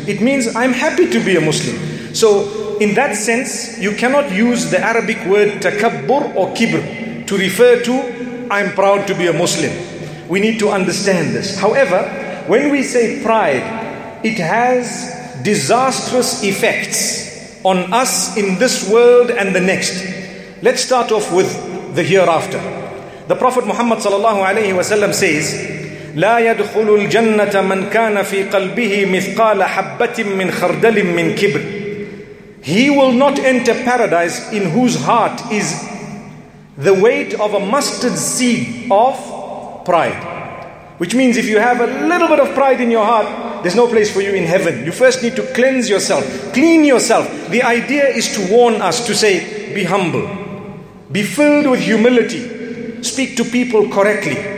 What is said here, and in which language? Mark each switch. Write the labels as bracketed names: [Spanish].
[English] It means I'm happy to be a Muslim. So in that sense, you cannot use the Arabic word takabbur or kibr to refer to I'm proud to be a Muslim. We need to understand this. However, when we say pride, it has disastrous effects on us in this world and the next. Let's start off with the hereafter. The Prophet Muhammad sallallahu alayhi wa sallam says, [Arabic] لا يدخل الجنة من كان في قلبه مثقال حبة من خردل من كبر. [English] He will not enter paradise in whose heart is the weight of a mustard seed of pride. Which means if you have a little bit of pride in your heart, there's no place for you in heaven. You first need to cleanse yourself, clean yourself. The idea is to warn us to say, be humble, be filled with humility, speak to people correctly.